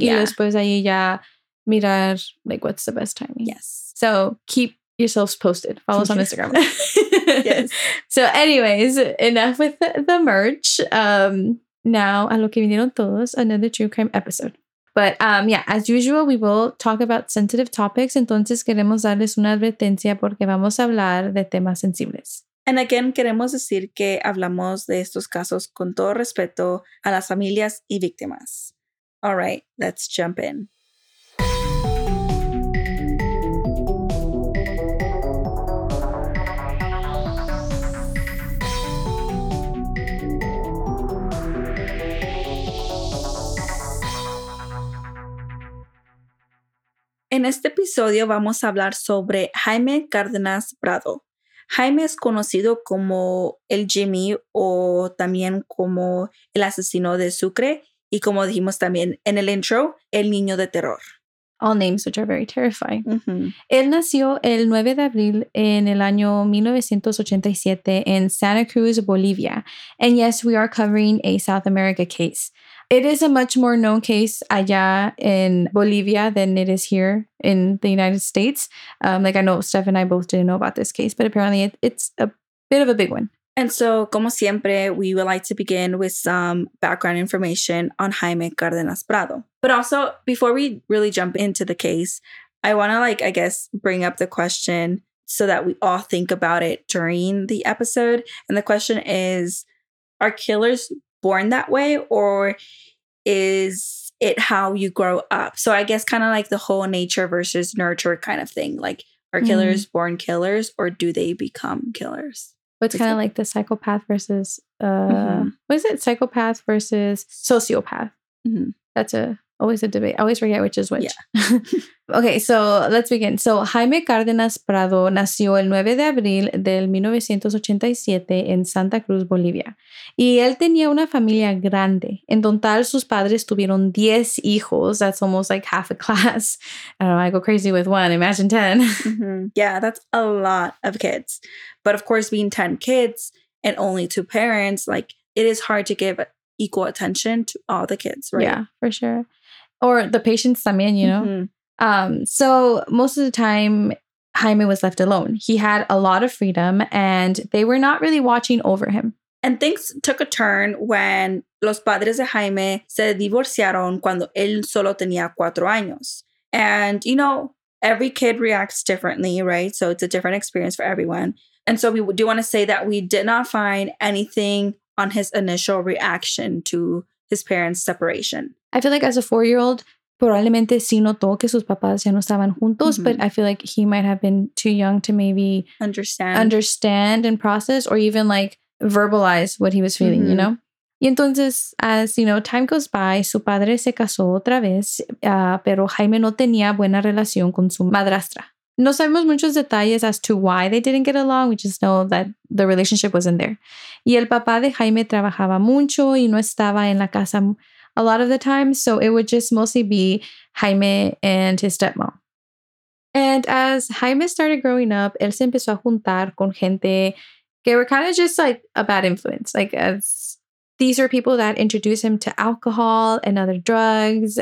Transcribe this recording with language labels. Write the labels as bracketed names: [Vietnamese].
[Spanish] Y después ahí ya mirar [English] like what's the best timing. Yes. So keep yourselves posted. Follow us on Instagram. Yes. So anyways, enough with the merch. Now [Spanish] a lo que vinieron todos, [English] another true crime episode. But as usual, we will talk about sensitive topics. [Spanish] Entonces queremos darles una advertencia porque vamos a hablar de temas sensibles. [English] And again, [Spanish] queremos decir que hablamos de estos casos con todo respeto a las familias y víctimas. [English] All right, let's jump in. [Spanish] En este episodio vamos a hablar sobre Jaime Cárdenas Prado. Jaime es conocido como el Jimmy o también como el asesino de Sucre. Y como dijimos también en el intro, el niño de terror. [English] All names which are very terrifying. Mm-hmm. [Spanish] Él nació el 9 de abril en el año 1987 en Santa Cruz, Bolivia. [English] And yes, we are covering a South America case. It is a much more known case allá in Bolivia than it is here in the United States. Like I know Steph and I both didn't know about this case, but apparently it's a bit of a big one. And so, [Spanish] como siempre, [English] we would like to begin with some background information on Jaime Cárdenas Prado. But also, before we really jump into the case, I want to like, I guess, bring up the question so that we all think about it during the episode. And the question is, are killers born that way, or is it how you grow up? So I guess kind of like the whole nature versus nurture kind of thing. Like, are killers born killers, or do they become killers? It's kind of like the psychopath versus what is it? Psychopath versus sociopath. Mm-hmm. That's always a debate. I always forget which is which. Yeah. Okay, so let's begin. [Spanish] So Jaime Cárdenas Prado nació el 9 de abril del 1987 en Santa Cruz, Bolivia. Y él tenía una familia grande. En total, sus padres tuvieron 10 hijos. [English] That's almost like half a class. I don't know, I go crazy with one. Imagine 10. Mm-hmm. Yeah, that's a lot of kids. But of course, being 10 kids and only two parents, like, it is hard to give equal attention to all the kids, right? Yeah, for sure. Or the patients también, you know? Mm-hmm. So most of the time, Jaime was left alone. He had a lot of freedom and they were not really watching over him. And things took a turn when [Spanish] los padres de Jaime se divorciaron cuando él solo tenía 4 años. [English] And, you know, every kid reacts differently, right? So it's a different experience for everyone. And so we do want to say that we did not find anything on his initial reaction to his parents' separation. I feel like as a four-year-old, [Spanish] probablemente sí notó que sus papás ya no estaban juntos, mm-hmm. [English] but I feel like he might have been too young to maybe understand and process or even like verbalize what he was feeling, mm-hmm. you know? [Spanish] Y entonces, [English] as you know, time goes by, [Spanish] su padre se casó otra vez, pero Jaime no tenía buena relación con su madrastra. No sabemos muchos detalles [English] as to why they didn't get along. We just know that the relationship wasn't there. [Spanish] Y el papá de Jaime trabajaba mucho y no estaba en la casa [English] a lot of the time. So it would just mostly be Jaime and his stepmom. And as Jaime started growing up, [Spanish] él se empezó a juntar con gente que [English] were kind of just like a bad influence. Like as these are people that introduced him to alcohol and other drugs.